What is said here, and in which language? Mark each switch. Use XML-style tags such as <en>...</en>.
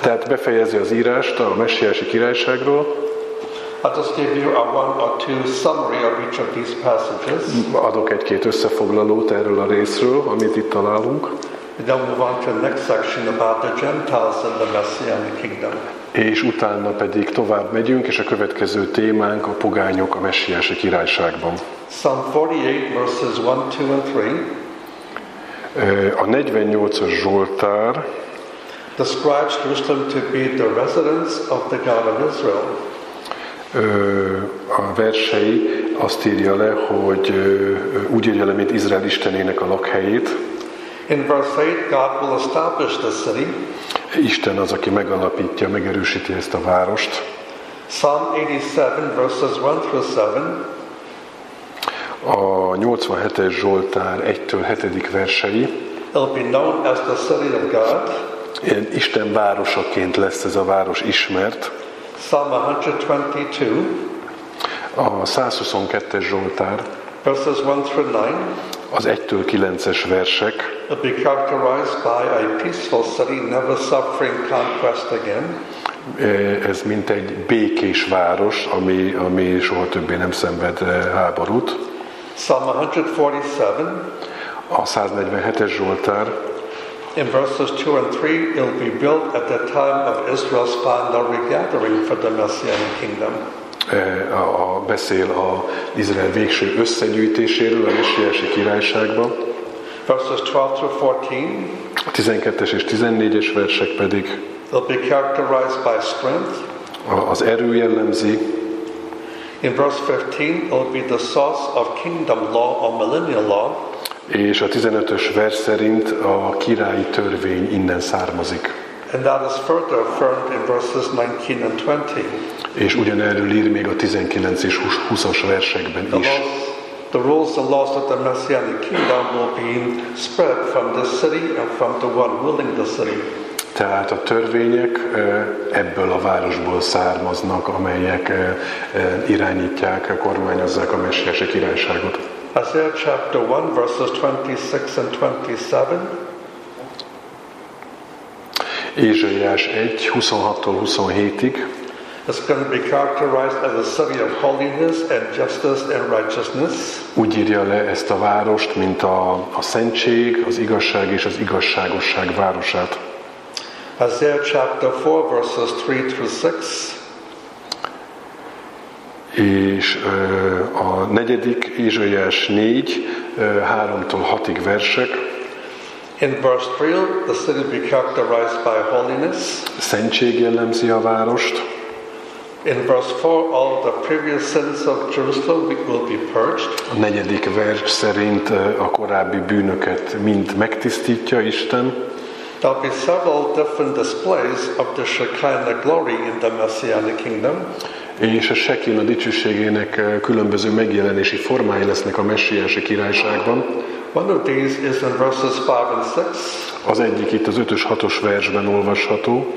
<hu>Tehát befejezi az írást a messiási királyságról.</hu> <en>I'll just give you a one or two summary of each of these passages.</en> <hu>Adok egy-két összefoglalót erről a részről, amit itt találunk.</hu> <en>And then we'll move on to the next section about the Gentiles and the Messianic Kingdom.</en> <hu>És utána pedig tovább megyünk, és a következő témánk a pogányok a messiási királyságban.</hu> <en>Psalm 48 verses 1, 2 and 3.</en> <hu>A 48-as Zsoltár</hu> <en>describes Jerusalem to be the residence of the God of Israel.</en> <hu>A versei azt írja le, hogy úgy írja le, mint Izrael Istenének a lakhelyét.</hu> <en>In verse 8, God will establish the city.</en> <hu>Isten az, aki megalapítja, megerősíti ezt a várost.</hu> <en>Psalm 87, verses 1-7.</en> <hu>A 87-es Zsoltár 1-től 7. versei.</hu> <en>It'll be known as the city of God.</en> <hu>Isten városaként lesz ez a város ismert.</hu> <en>Psalm 122.</en> <hu>A 122-es Zsoltár.</hu> <en>Verses 1-9.</en> <hu>Az 1-től 9-es versek.</hu> <en>It'll be characterized by a peaceful city, never suffering conquest again.</en> <hu>Ez mint egy békés város, ami soha többé nem szenved háborút.</hu> <en>Psalm 147.</en> <hu>A 147-es Zsoltár.</hu> <en>In verses 2 and 3, it'll be built at the time of Israel's final regathering for the Messianic kingdom.</en> <hu>A beszél a Izrael végső összegyűjtéséről a messiási királyságban.</hu> <en>Verses 12-14.</en> <hu>A 12-es és 14-es versek pedig.</hu> <en>It'll be characterized by strength.</en> <hu>Az erő jellemzi.</hu> <en>In verse 15, it'll be the source of kingdom law or millennial law.</en> <hu>És a 15-ös vers szerint a királyi törvény innen származik.</hu> <en>And that is further affirmed in verses 19 and 20.</en> <hu>És ugyanerről ír még a 19 és 20-as versekben is.</hu> <en>The rules and laws of the Messianic kingdom will be spread from the city and from the one ruling the city.</en> <hu>Tehát a törvények ebből a városból származnak, amelyek irányítják, kormányozzák a messiási királyságot.</hu> <en>Isaiah chapter 1, verses 26 and 27.</en> <hu>Ézsaiás 1, 26-tól 27-ig.</hu> <en>It's going to be characterized as a city of holiness and justice and righteousness.</en> <hu>Úgy írja le ezt a várost, mint a szentség, az igazság és az igazságosság városát.</hu> <en>Isaiah chapter 4, verses 3-6.</en> <hu>És a negyedik, Ézsaiás 4, 3-tól 6-ig versek.</hu> <en>In verse 3, the city will be characterized by holiness.</en> <hu>Szentség jellemzi a várost.</hu> <en>In verse 4, all the previous sins of Jerusalem will be purged.</en> <hu>A negyedik vers szerint a korábbi bűnöket mind megtisztítja Isten.</hu> <en>There will be several different displays of the Shekinah glory in the Messianic kingdom.</en> <hu>És a Shekinah dicsőségének különböző megjelenési formái lesznek a messiási királyságban.</hu> <en>One of these is in verses 5 and 6.</en> <hu>Az egyik itt az 5-ös, 6-os versben olvasható.</hu>